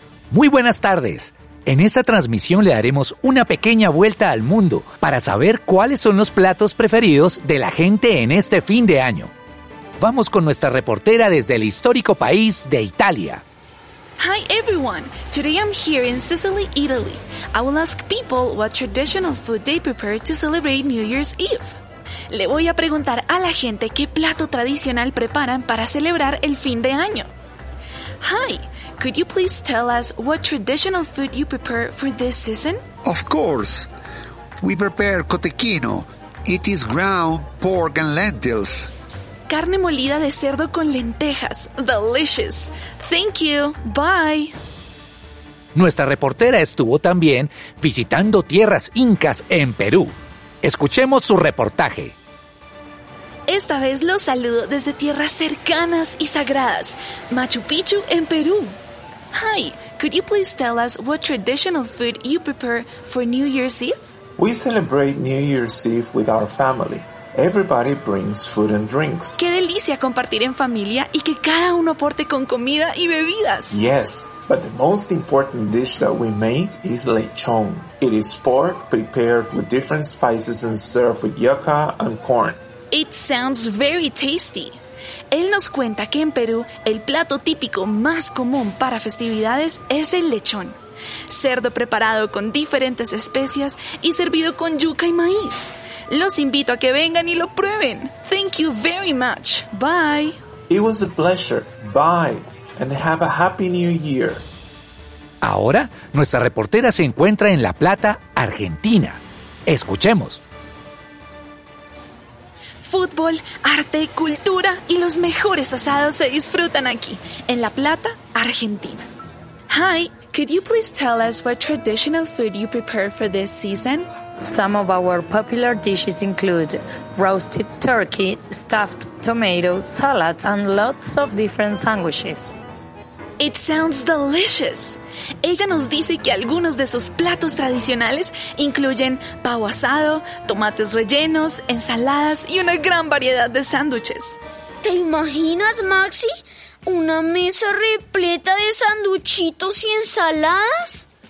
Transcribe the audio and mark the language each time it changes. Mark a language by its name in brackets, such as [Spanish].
[Spanish] Muy buenas tardes. En esta transmisión le daremos una pequeña vuelta al mundo para saber cuáles son los platos preferidos de la gente en este fin de año. Vamos con nuestra reportera desde el histórico país de Italia. [English] Hi everyone. Today I'm here in Sicily, Italy. I will ask people what traditional food they prepare to celebrate New Year's Eve. [Spanish] Le voy a preguntar a la gente qué plato tradicional preparan para celebrar el fin de año. [English] Hi, could you please tell us what traditional food you prepare for this season? Of course. We prepare cotechino. It is ground pork and lentils. [Spanish] Carne molida de cerdo con lentejas. [English] Delicious. Thank you. Bye. [Spanish] Nuestra reportera estuvo también visitando tierras incas en Perú. Escuchemos su reportaje. Esta vez los saludo desde tierras cercanas y sagradas, Machu Picchu en Perú. [English] Hi, could you please tell us what traditional food you prepare for New Year's Eve? We celebrate New Year's Eve with our family. Everybody brings food and drinks. [Spanish] ¡Qué delicia compartir en familia y que cada uno aporte con comida y bebidas! [English] Yes, but the most important dish that we make is lechon. It is pork prepared with different spices and served with yuca and corn. It sounds very tasty. [Spanish] Él nos cuenta que en Perú el plato típico más común para festividades es el lechon. Cerdo preparado con diferentes especias y servido con yuca y maíz. Los invito a que vengan y lo prueben. [English] Thank you very much. Bye. It was a pleasure. Bye. And have a happy new year. [Spanish] Ahora, nuestra reportera se encuentra en La Plata, Argentina. Escuchemos. Fútbol, arte, cultura y los mejores asados se disfrutan aquí, en La Plata, Argentina. [English] Hi, could you please tell us what traditional food you prepare for this season? Some of our popular dishes include roasted turkey, stuffed tomatoes, salads, and lots of different sandwiches. It sounds delicious. [Spanish] Ella nos dice que algunos de sus platos tradicionales incluyen pavo asado, tomates rellenos, ensaladas y una gran variedad de sándwiches. ¿Te imaginas, Maxi? ¿Una mesa repleta de sanduchitos y ensaladas?